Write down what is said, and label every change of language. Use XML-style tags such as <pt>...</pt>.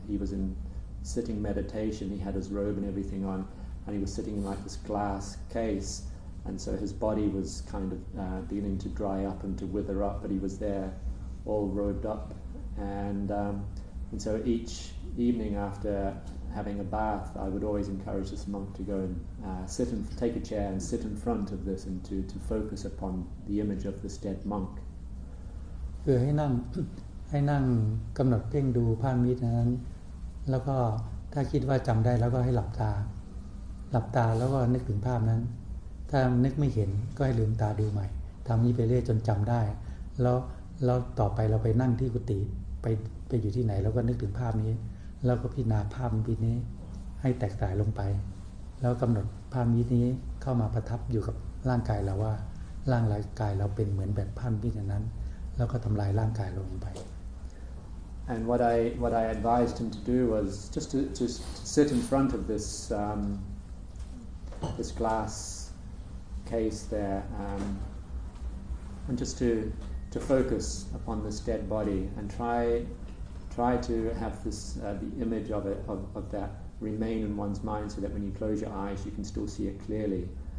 <en>He was in sitting meditation. He had his robe and everything on, and he was sitting in like this glass case, and so his body was kind of beginning to dry up and to wither up, but he was thereall robed up, and so each evening after having a bath, I would always encourage this monk to go and take a chair and sit in front of this and to focus upon the image of this dead monk.</en> <th>คือให้นั่งกำหนดเพ่งดูภาพมิตรนั้นแล้วก็ถ้าคิดว่าจำได้แล้วก็ให้หลับตาแล้วก็นึกถึงภาพนั้นถ้านึกไม่เห็นก็ให้ลืมตาดูใหม่ทำนี้ไปเรื่อยจนจำได้แล้วต่อไปเราไปนั่งที่กุฏิไปอยู่ที่ไหนแล้วก็นึกถึงภาพนี้แล้วก็พิจารณาภาพนี้ให้แตกสายลงไป แล้วกำหนดภาพนี้เข้ามาประทับอยู่กับร่างกายเราว่าร่างกายเราเป็นเหมือนแบบภาพนี้นั้นแล้วก็ทำลายร่างกายลงไป</th> <en>And what I advised him to do was just to sit in front of this this glass case there, and just to focus upon this dead body and try to have this the image of it of that remain in one's mind, so that when you close your eyes, you can still see it clearly.</en>